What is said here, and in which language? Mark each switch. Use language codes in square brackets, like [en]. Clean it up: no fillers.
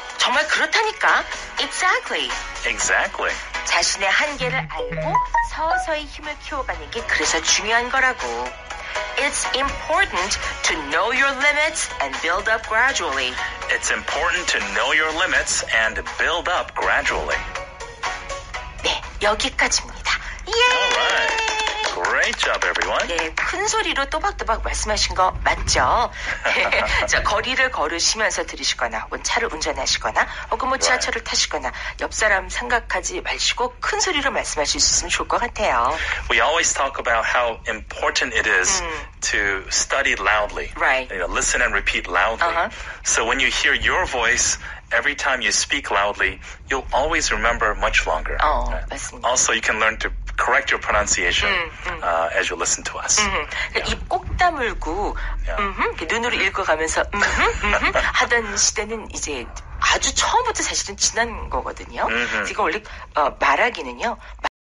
[ko] 정말 그렇다니까. [en] Exactly. Exactly. [ko] 자신의 한계를 알고 서서히 힘을 키워가는 게 그래서 중요한 거라고. [en] It's important to know your limits and build up gradually. It's important to know your limits and build up gradually. [ko] 네, 여기까지입니다. [en] Yay! All right. Great job, everyone. [ko] 네, 큰 소리로 또박또박 말씀하신 거 맞죠? 자, 거리를 걸으시면서 들으시거나 혹은 차를 운전하시거나 혹은 뭐 지하철을 [en] right. [ko] 타시거나 옆 사람 생각하지 마시고 큰 소리로 말씀하실 수 있으면 좋을 것 같아요. [en] We always talk about how important it is to study loudly. Right. You know, listen and repeat loudly. So when you hear your voice, every time you speak loudly, you'll always remember much longer. [ko] 어, 맞습니다. [en] Also, you can learn to correct your pronunciation as you listen to us. [ko] 입 꼭 다물고 눈으로 읽어가면서 하던 시대는 이제 아주 처음부터 사실은 지난 거거든요. 제가 원래 말하기는요.